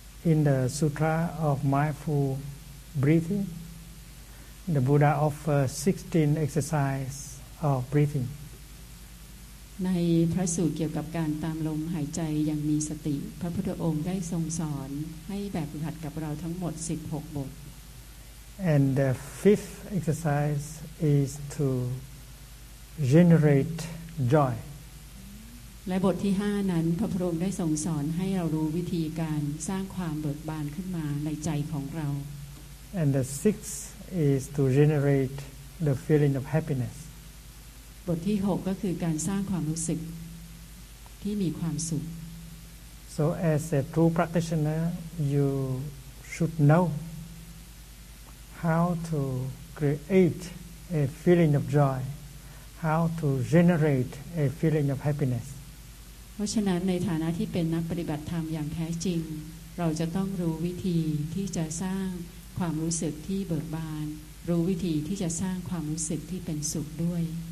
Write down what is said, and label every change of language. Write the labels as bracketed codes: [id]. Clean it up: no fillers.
[en] In the Sutra of Mindful Breathing, the Buddha offers 16 exercises of breathing. [th] ในพระสูตรเกี่ยวกับการตามลมหายใจยังมีสติพระพุทธองค์ได้ทรงสอนให้แบบฝึกหัดกับเราทั้งหมด16บท [en] And the fifth exercise is to generate joy. [th] และบทที่5นั้นพระพุทธองค์ได้ทรงสอนให้เรารู้วิธีการสร้างความเบิกบานขึ้นมาในใจของเรา [en] And the sixth is to generate the feeling of happiness. [th] บทที่6ก็คือการสร้างความรู้สึกที่มีความสุข [en] So as a true practitioner, you should know how to create a feeling of joy, how to generate a feeling of happiness. [th] เพราะฉะนั้นในฐานะที่เป็นนักปฏิบัติธรรมอย่างแท้จริงเราจะต้องรู้วิธีที่จะสร้างความรู้สึกที่เบิกบานรู้วิธีที่จะสร้างความรู้สึกที่เป็นสุขด้วย